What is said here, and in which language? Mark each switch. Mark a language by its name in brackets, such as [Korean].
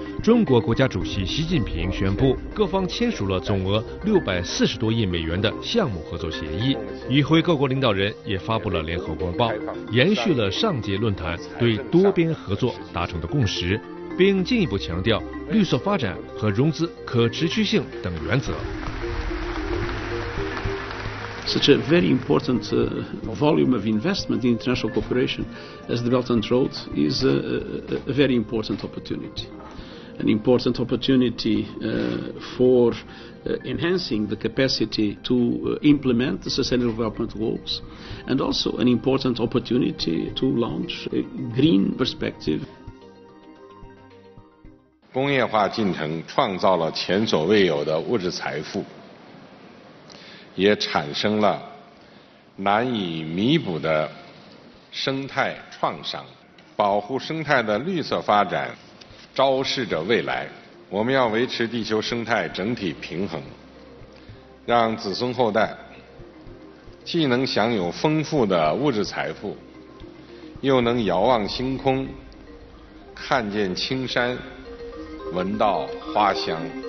[Chinese] 中国国家主席习近平宣布，各方签署了总额640多亿美元的项目合作协议。与会各国领导人也发布了联合公报，延续了上届论坛对多边合作达成的共识，并进一步强调绿色发展和融资可持续性等原则。 [English] such a very important volume of investment in international cooperation as the Belt and Road is a very important opportunity. An important opportunity for enhancing the capacity to implement the Sustainable Development Goals, and also an important opportunity to launch a green perspective. [Chinese] 工业化进程创造了前所未有的物质财富，也产生了难以弥补的生态创伤。保护生态的绿色发展昭示着未来，我们要维持地球生态整体平衡，让子孙后代既能享有丰富的物质财富，又能遥望星空，看见青山，闻到花香。